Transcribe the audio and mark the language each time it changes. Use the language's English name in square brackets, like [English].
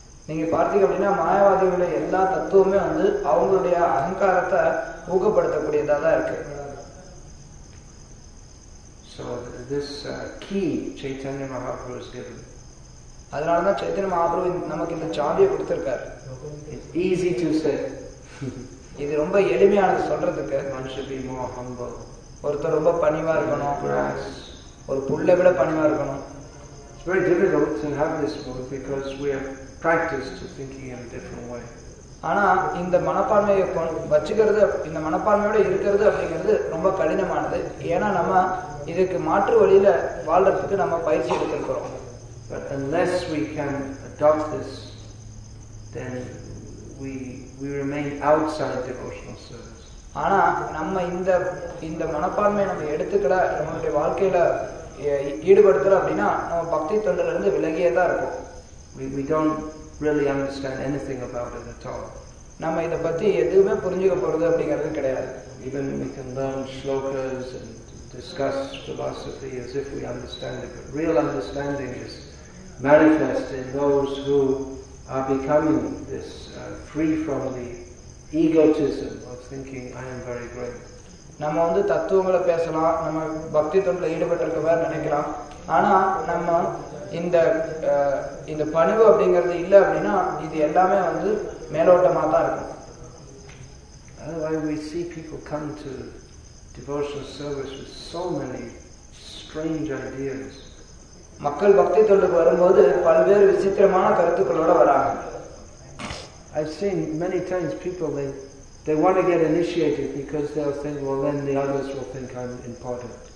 [Tamil] நீங்க பார்த்தீங்க அப்படின்னா மாயாவாதிகளுடைய எல்லா தத்துவமே வந்து அவங்களுடைய அகங்காரத்தை ஊக்கப்படுத்தக்கூடியதா தான் இருக்கு. [English] So this key Chaitanya Mahaprabhu has given. [Tamil] அதனால தான் சைதன்ய மகாபிரபு நமக்கு இந்த சாவியை கொடுத்திருக்காரு. [English] Easy to say. [Tamil] இது ரொம்ப எளிமையானது சொல்றதுக்கு. [English] One should be more humble. [Tamil] ஒருத்தர் ரொம்ப பணிவா இருக்கணும். [English] Grass. [Tamil] ஒரு புல்லை விட பணிவா இருக்கணும். [English] It's very difficult to have this mood because we have practiced to thinking in a different way. [Tamil] ஆனா இந்த மனப்பான்மையை வச்சுக்கிறது, இந்த மனப்பான்மையோட இருக்கிறது அப்படிங்கிறது ரொம்ப கடினமானது. ஏன்னா நம்ம இதுக்கு மாற்று வழியில வாழ்றதுக்கு நம்ம பயிற்சி எடுத்திருக்கிறோம். [English] But unless we can adopt this, then we remain outside devotional service. [Tamil] ஆனா நம்ம இந்த மனப்பான்மையை நம்ம எடுத்துக்கல, நம்மளுடைய வாழ்க்கையில ஈடுபடுத்தல அப்படின்னா நம்ம பக்தி தொண்டர்ல இருந்து விலகியே தான் இருக்கும். [English] We don't really understand anything about it at all. [Tamil] நாம இத பத்தி எதுவுமே புரிஞ்சுக்க போறது அப்படிங்கறது கிடையாது. [English] Even we can learn shlokas and discuss philosophy as if we understand it, but real understanding is manifest in those who are becoming this free from the egotism of thinking I am very great. [Tamil] நாம வந்து தத்துவங்களை பேசலாம், நம்ம பக்தி தொண்டில ஈடுபட்டிருக்க மாதிரி நினைக்கலாம், ஆனா நம்ம இந்த பணிவு அப்படிங்கிறது இல்லை அப்படின்னா இது எல்லாமே வந்து மேலோட்டமாக தான் இருக்கும். [English] Otherwise we see people come to devotional service with so many strange ideas. [Tamil] மக்கள் பக்தி தொண்டுக்கு வரும்போது பல்வேறு விசித்திரமான கருத்துக்களோட வராங்க. [English] I've seen many times people they want to get initiated because they'll think, well, then the others will think I'm important.